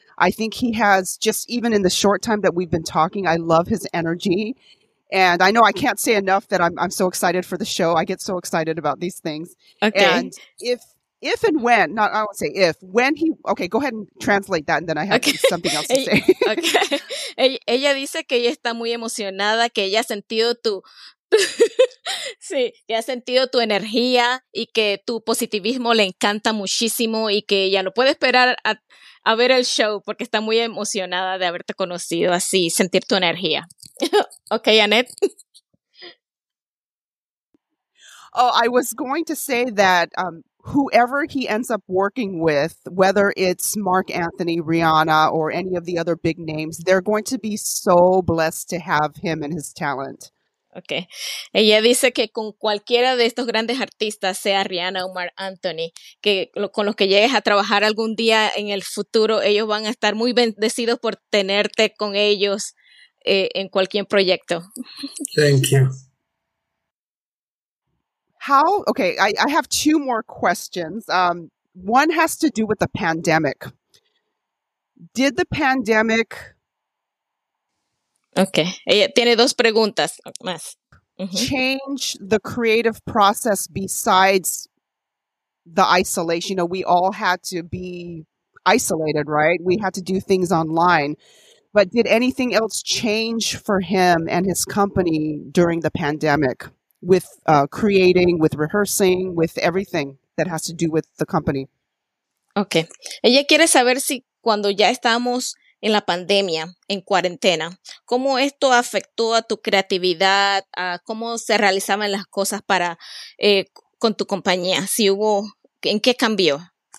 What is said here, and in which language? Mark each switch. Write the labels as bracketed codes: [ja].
[en] I think he has, just even in the short time that we've been talking, I love his energy. And I know I can't say enough that I'm so excited for the show. I get so excited about these things. Okay. And if if and when, not, I won't say if, when he, okay, go ahead and translate that and then I have okay. something else to say. Okay. [es] Ella dice que ella está muy emocionada, que ella ha sentido tu, sí, que ha sentido tu energía y que tu positivismo le encanta muchísimo y que ella no puede esperar a ver el show porque está muy emocionada de haberte conocido así, sentir tu energía. [en] Okay, Annette. Oh, I was going to say that whoever he ends up working with, whether it's Mark Anthony, Rihanna, or any of the other big names, they're going to be so blessed to have him and his talent. Okay. [es] Ella dice que con cualquiera de estos grandes artistas, sea Rihanna o Mark Anthony, que con los que llegues a trabajar algún día en el futuro, ellos van a estar muy bendecidos por tenerte con ellos en cualquier proyecto. [en] Thank you. How, okay, I have two more questions. One has to do with the pandemic. Did the pandemic... [es] Okay, ella tiene dos preguntas más. [en] Change the creative process besides the isolation? You know, we all had to be isolated, right? We had to do things online. But did anything else change for him and his company during the pandemic? With creating, with rehearsing, with everything that has to do with the company. Okay. [es] Ella quiere saber si cuando ya estamos en la pandemia, en cuarentena, ¿cómo esto afectó a tu creatividad? A ¿cómo se realizaban las cosas para con tu compañía? Si hubo, ¿en qué cambió?